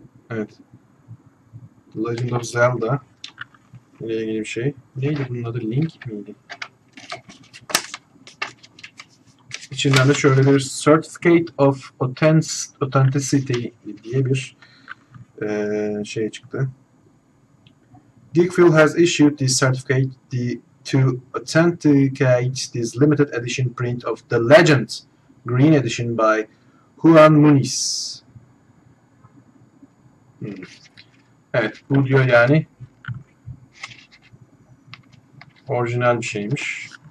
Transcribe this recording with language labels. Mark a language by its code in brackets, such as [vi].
[tr] Evet. Legend of Zelda ile ilgili bir şey. Neydi bunun adı? Link miydi? İçinden de şöyle bir Certificate of Authenticity diye bir şey çıktı. [en] Geek Fuel has issued this certificate to authenticate this limited edition print of The Legend Green Edition by Juan Muniz. [tr] Evet, bu diyor yani orijinal bir şeymiş.